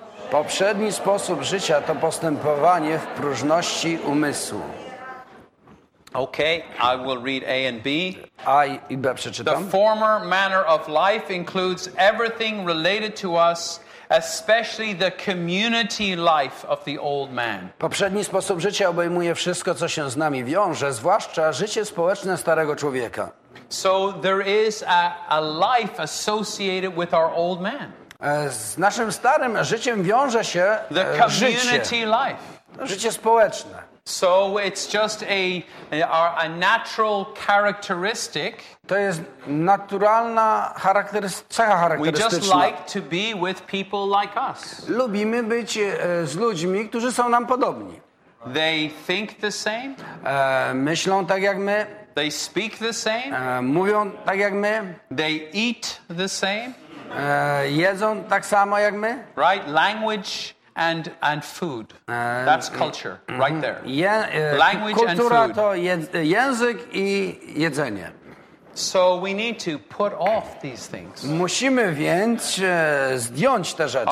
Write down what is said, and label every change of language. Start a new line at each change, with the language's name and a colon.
Polish: Poprzedni sposób życia to postępowanie w próżności umysłu.
English: Okay, I will read A and B.
Polish: A i B przeczytam.
English: The former manner of life includes everything related to us, especially the community life of the old man.
Polish: Poprzedni sposób życia obejmuje wszystko, co się z nami wiąże, zwłaszcza życie społeczne starego człowieka.
English: So there is a life associated with our old man.
Polish: Z naszym starym życiem wiąże się
English: the community life.
Polish: Życie społeczne.
English: So it's just a natural characteristic.
Polish: To jest naturalna cecha charakterystyczna.
English: We just like to be with people like us.
Polish: Lubimy być z ludźmi, którzy są nam podobni.
English: They think the same.
Polish: Myślą tak jak my.
English: They speak the same.
Polish: Mówią tak jak my.
English: They eat the same.
Polish: Jedzą tak samo jak my.
English: Right, language. And food. That's culture, right there. Language
Polish: kultura
English: and food.
Polish: To język i jedzenie.
English: So we need to put off these things.
Polish: Musimy więc zdjąć te rzeczy.